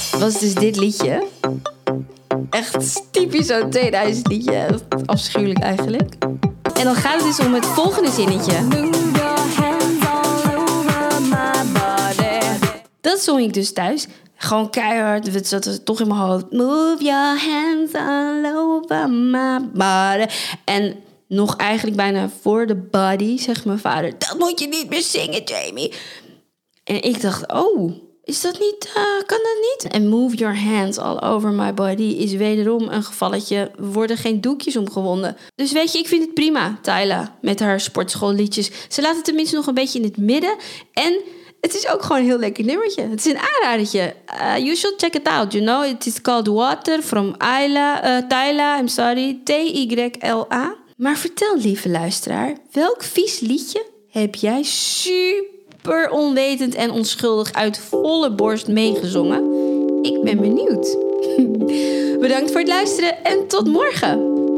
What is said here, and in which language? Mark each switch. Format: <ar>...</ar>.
<nl>Was dus dit liedje. Echt typisch zo'n 2000 liedje. Afschuwelijk eigenlijk. En dan gaat het dus om het volgende zinnetje. Dat zong ik dus thuis. Gewoon keihard, het zat toch in mijn hoofd.</nl> <en>Move your hands all over my body.</en> <nl>En nog eigenlijk bijna voor de body, zegt mijn vader. Dat moet je niet meer zingen, Jamie. En ik dacht, oh, is dat niet, kan dat niet? En</nl> <en>move your hands all over my body</en> <nl>is wederom een gevalletje. Er worden geen doekjes omgewonden. Dus weet je, ik vind het prima, Tyler, met haar sportschoolliedjes. Ze laat het tenminste nog een beetje in het midden. En het is ook gewoon een heel lekker nummertje. Het is een aanradertje.</nl> <en>You should check it out, you know. It is called Water from Isla, Tyla, I'm sorry, T-Y-L-A.</en> <nl>Maar vertel, lieve luisteraar, welk vies liedje heb jij super onwetend en onschuldig uit volle borst meegezongen? Ik ben benieuwd. Bedankt voor het luisteren en tot morgen!</nl>